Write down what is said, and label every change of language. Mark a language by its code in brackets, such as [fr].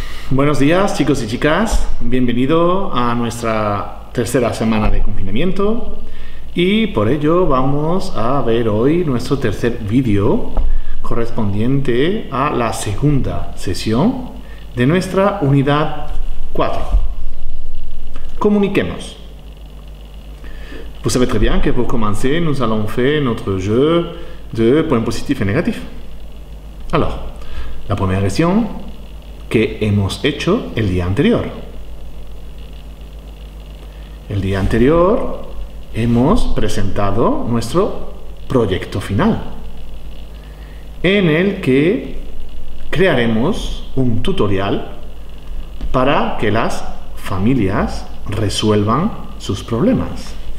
[es] Buenos días, chicos y chicas. Bienvenido a nuestra tercera semana de confinamiento. Y por ello vamos a ver hoy nuestro tercer vídeo correspondiente a la segunda sesión de nuestra unidad 4. Comuniquemos. [fr] Vous savez très bien que pour commencer, nous allons faire notre jeu de points positifs et négatifs. Alors, la première question, [es] ¿qué hemos hecho el día anterior? El día anterior hemos presentado nuestro proyecto final, en el que crearemos un tutorial para que las familias resuelvan sus problemas.